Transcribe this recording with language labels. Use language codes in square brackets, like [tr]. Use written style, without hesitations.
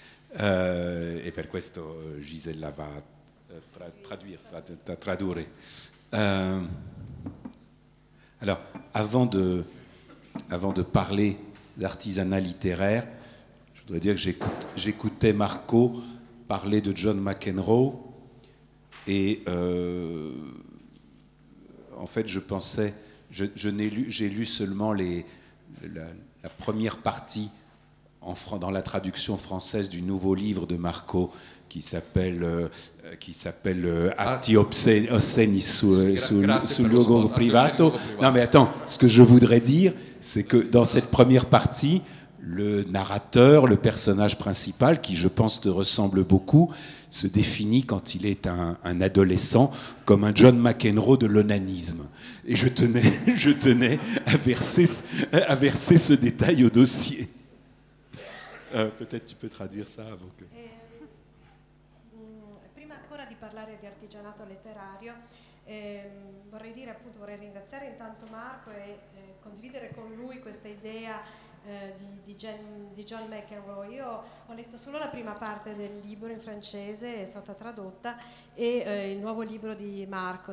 [it] E per questo Gisella va a tradurre. [fr] Alors, avant de parler d'artisanat littéraire, je voudrais dire que j'écoutais Marco parler de John McEnroe et en fait, je pensais, j'ai lu seulement la première partie dans la traduction française du nouveau livre de Marco qui s'appelle Atti Osseni sul luogo privato. Non, mais attends, ce que je voudrais dire, c'est que dans cette première partie, le narrateur, le personnage principal, qui je pense te ressemble beaucoup, se définit quand il est un adolescent comme un John McEnroe de l'onanisme. Et je tenais à verser ce détail au dossier. Peut-être tu peux traduire ça avant que... [it] Prima ancora di parlare di artigianato letterario, vorrei dire appunto, vorrei ringraziare intanto Marco e condividere con lui questa idea di John McEnroe. Io ho letto solo la prima parte del libro in francese, è stata tradotta, e il nuovo libro di Marco.